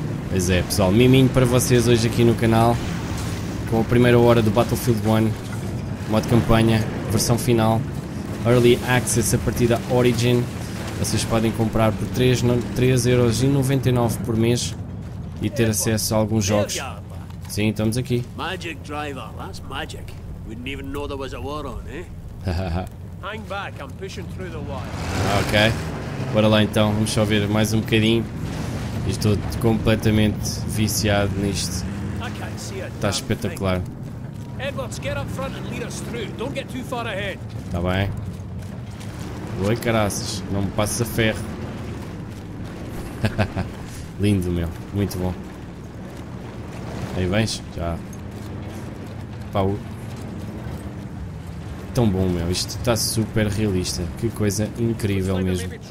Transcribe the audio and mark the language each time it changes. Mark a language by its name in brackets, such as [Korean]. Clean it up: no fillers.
[Portuguese] Pois é, pessoal, miminho para vocês hoje aqui no canal, com a primeira hora do Battlefield 1, modo campanha, versão final, Early Access a partir da Origin. Vocês podem comprar por 3,99€ por mês e ter acesso a alguns jogos. Sim, estamos aqui. [English] Magic Driver, that's magic. We didn't even know there was a war on, eh? Hang back, I'm pushing through the wire. [Portuguese] Ok, bora lá então, vamos só ver mais um bocadinho. Estou completamente viciado nisto. Está espetacular. [English] Edwards, get up front and lead us through. Don't get too far ahead. [Portuguese] Está bem. Oi, caraças, não me passes a ferro. Lindo, meu. Muito bom. Aí vens? Já. Pau. Tão bom, meu. Isto está super realista. Que coisa incrível mesmo.